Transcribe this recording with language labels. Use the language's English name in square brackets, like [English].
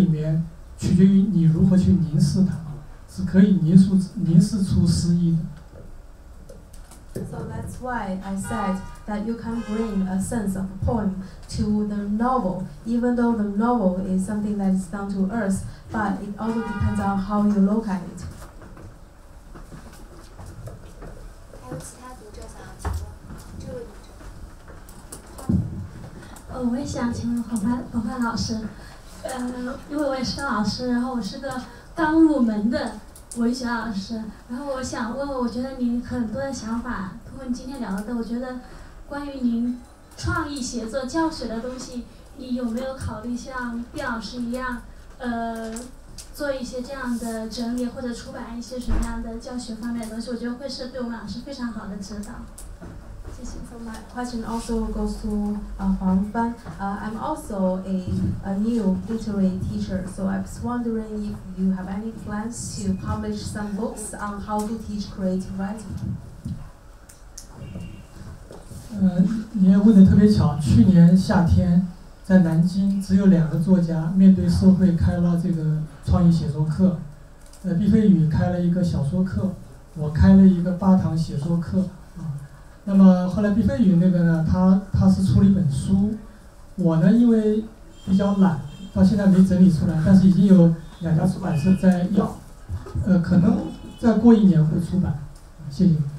[Chinese] 所以这也是为什么我说，其实我们可以为小说带来诗意，因为小说虽然是写那种烟火气很重的那种生活啊，但其实这里面取决于你如何去凝视它，是可以凝视出诗意的。 [English] So that's why I said that you can bring a sense of poem to the novel, even though the novel is something that is down to earth, but it also depends on how you look at it. [Chinese] Oh, 我也想请黄帆老师，因为我也是个老师，然后我是个刚入门的文学老师，然后我想问，我觉得您很多的想法，通过你今天聊的，我觉得关于您创意写作教学的东西，你有没有考虑像毕老师一样，做一些这样的整理或者出版一些什么样的教学方面的东西？我觉得会是对我们老师非常好的指导。 [English] So my question also goes to Huang Fan. I'm also a new literary teacher, so I was wondering if you have any plans to publish some books on how to teach creative writing. [Chinese] 也问得特别巧，去年夏天在南京只有两个作家面对社会开了这个创意写作课，毕飞宇开了一个小说课，我开了一个八堂写作课。那么后来毕飞宇那个呢，他是出了一本书，我呢因为比较懒，到现在没整理出来，但是已经有两家出版社在要，可能再过一年会出版，谢谢。